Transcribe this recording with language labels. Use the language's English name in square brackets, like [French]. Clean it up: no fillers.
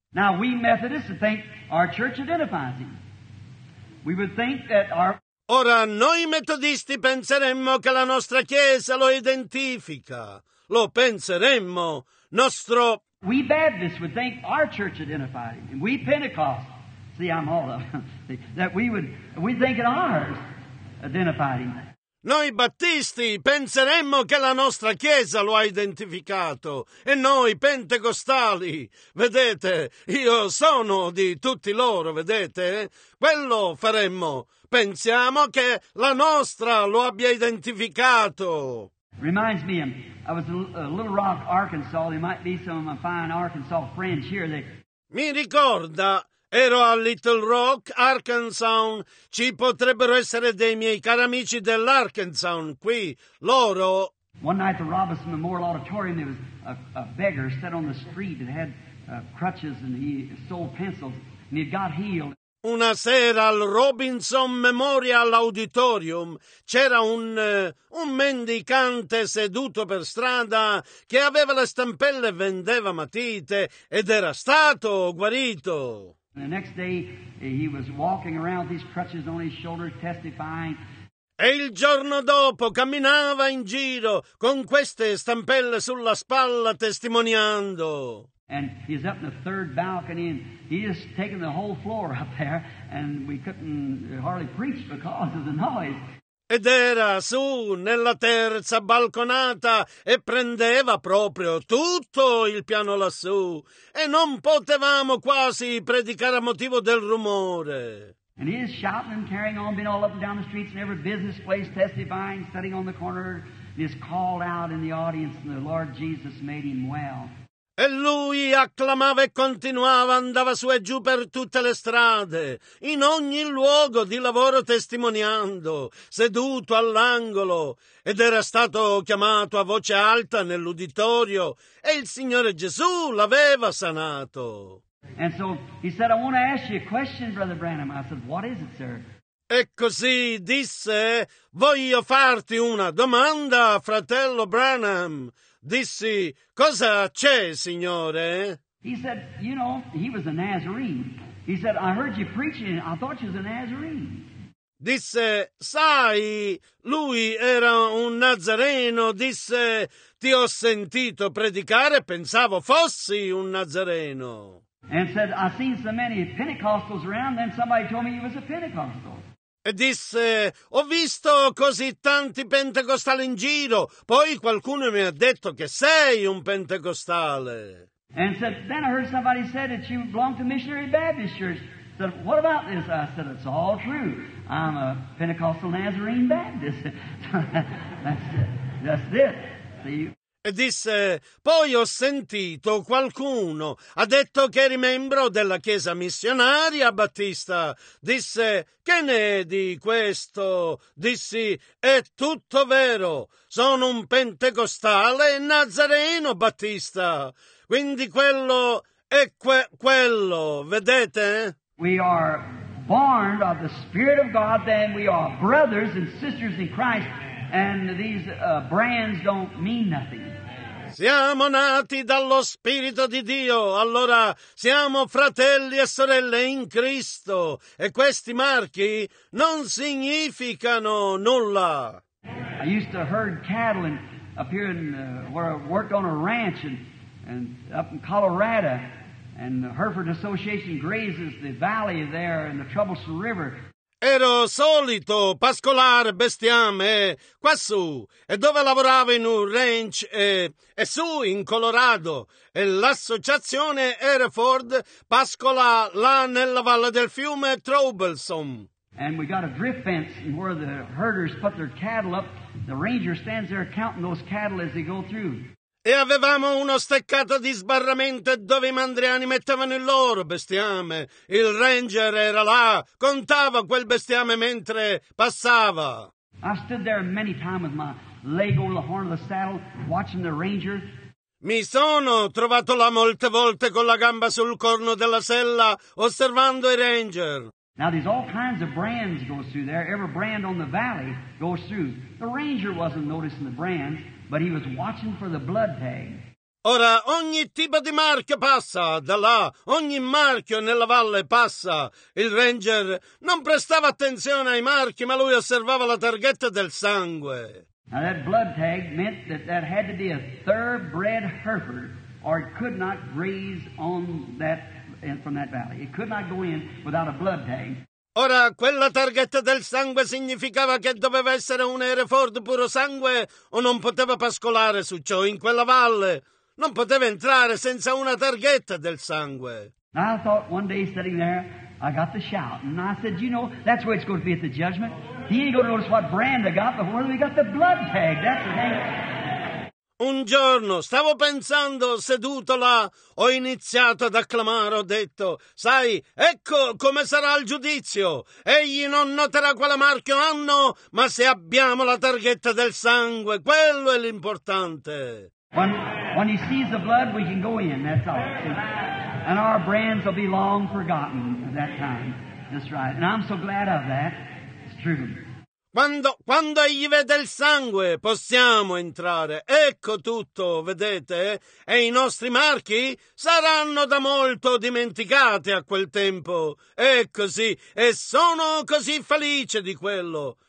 [English] Now we Methodists think our church identifies him. We would think that our... [Italian] Ora noi metodisti penseremmo che la nostra chiesa lo identifica. Lo penseremmo, nostro... [English] We Baptists would think our church identified him. We Pentecost, see I'm all of them, that we think it ours identified him. [Italian] Noi Battisti penseremmo che la nostra Chiesa lo ha identificato e noi Pentecostali, vedete, io sono di tutti loro, vedete, quello faremmo. Pensiamo che la nostra lo abbia identificato. [English] Reminds me, I was a Little Rock, Arkansas. There might be some of my fine Arkansas friends here. That... [Italian] Mi ricorda, ero a Little Rock, Arkansas. Ci potrebbero essere dei miei cari amici dell'Arkansas qui. Loro. [English] One night, the Robinson Memorial Auditorium. There was a beggar sat on the street that had crutches and he sold pencils and he got healed. [Italian] Una sera al Robinson Memorial Auditorium c'era un mendicante seduto per strada che aveva le stampelle e vendeva matite ed era stato guarito. [English] The next day he was walking around with his crutches on his shoulder testifying. [Italian] E il giorno dopo camminava in giro con queste stampelle sulla spalla testimoniando. [English] And he's up in the third balcony and he just taken the whole floor up there and we couldn't hardly preach because of the noise. [Italian] Ed era su nella terza balconata e prendeva proprio tutto il piano lassù e non potevamo quasi predicare a motivo del rumore. [English] And he's shouting and carrying on, been all up and down the streets and every business place testifying, sitting on the corner, and he's called out in the audience and the Lord Jesus made him well. [Italian] E lui acclamava e continuava, andava su e giù per tutte le strade, in ogni luogo di lavoro testimoniando, seduto all'angolo, ed era stato chiamato a voce alta nell'uditorio, e il Signore Gesù l'aveva sanato. [English] And so he said, I want to ask you a question, Brother Branham. I said, what is it, sir? [Italian] E così disse, voglio farti una domanda, fratello Branham. Dissi, cosa c'è, signore? [English] He said, you know, he was a Nazarene. He said, I heard you preaching, I thought you was a Nazarene. [Italian] Disse, sai, lui era un Nazareno. Disse, ti ho sentito predicare, pensavo fossi un Nazareno. [English] And said, I've seen so many Pentecostals around, then somebody told me he was a Pentecostal. [Italian] E disse, ho visto così tanti pentecostali in giro, poi qualcuno mi ha detto che sei un pentecostale. [English] And said, then I heard somebody said that you belong to Missionary Baptist Church. I said, what about this? I said, it's all true. I'm a Pentecostal Nazarene Baptist. That's it. See you. [Italian] E disse, poi ho sentito qualcuno, ha detto che eri membro della Chiesa Missionaria Battista. Disse, che ne è di questo? Dissi, è tutto vero, sono un pentecostale Nazareno Battista. Quindi quello è quello, vedete? [English] We are born of the Spirit of God, then we are brothers and sisters in Christ, and these brands don't mean nothing. [Italian] Siamo nati dallo Spirito di Dio, allora siamo fratelli e sorelle in Cristo, e questi marchi non significano nulla. [English] I used to herd cattle and up here in where I worked on a ranch and up in Colorado, and the Hereford Association grazes the valley there and the Troublesome River. [Italian] Ero solito pascolare bestiame quassù, e dove lavoravo in un ranch e su in Colorado, e l'associazione Hereford pascola là nella valle del fiume Troublesome. [English] And we got a drift fence where the herders put their cattle up. The ranger stands there counting those cattle as they go through. [Italian] E avevamo uno steccato di sbarramento dove i mandriani mettevano il loro bestiame. Il ranger era là, contava quel bestiame mentre passava. [English] I stood there many times with my leg over the horn of the saddle, watching the ranger. [Italian] Mi sono trovato là molte volte con la gamba sul corno della sella, osservando i ranger. [English] Now there's all kinds of brands goes through there. Every brand on the valley goes through. The ranger wasn't noticing the brands, but he was watching for the blood tag. [Italian] Ora ogni tipo di marchio passa da là, ogni marchio nella valle passa. Il ranger non prestava attenzione ai marchi, ma lui osservava la targhetta del sangue. [English] Now that blood tag meant that had to be a thoroughbred Hereford, or it could not graze on that from that valley. It could not go in without a blood tag. [Italian] Ora, quella targhetta del sangue significava che doveva essere un Hereford puro sangue o non poteva pascolare su ciò in quella valle. Non poteva entrare senza una targhetta del sangue. [English] I thought one day sitting there, I got the shout. And I said, you know, that's where it's going to be at the judgment. He ain't going to notice what brand I got, but we got the blood tag. That's the thing. [Italian] Un giorno stavo pensando, seduto là, ho iniziato ad acclamare, ho detto, sai, ecco come sarà il giudizio. Egli non noterà quale marchio hanno, ma se abbiamo la targhetta del sangue, quello è l'importante. [English] When he sees the blood, we can go in, that's all. And our brands will be long forgotten at that time. That's right. And I'm so glad of that. It's true. [Italian] Quando egli vede il sangue, possiamo entrare. Ecco tutto, vedete? E i nostri marchi saranno da molto dimenticati a quel tempo. È così. E sono così felice di quello.